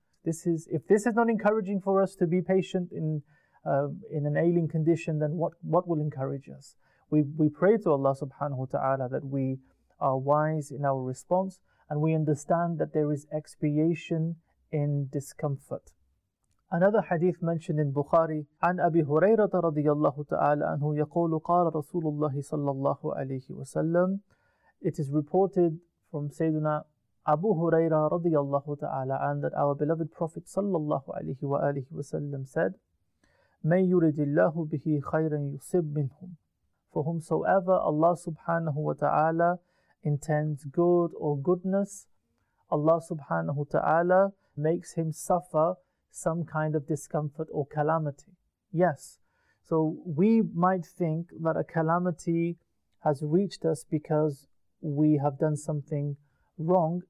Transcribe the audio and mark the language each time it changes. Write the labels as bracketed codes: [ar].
[en] If this is not encouraging for us to be patient in an ailing condition, then what will encourage us? We pray to Allah subhanahu wa ta'ala that we are wise in our response and we understand that there is expiation in discomfort. Another hadith mentioned in Bukhari, [ar] عن أبي هريرة رضي الله تعالى عنه يقول قال رسول الله صلى الله عليه وسلم. [en] It is reported from Sayyidina Abu Huraira [ar] رضي الله تعالى عنه [en] that our beloved Prophet [ar] صلى الله عليه وآله وسلم [en] said, [ar] من يرد الله به خيرا يصب منهم. [en] For whomsoever Allah subhanahu wa ta'ala intends good or goodness, Allah subhanahu wa ta'ala makes him suffer some kind of discomfort or calamity. Yes. So we might think that a calamity has reached us because we have done something wrong.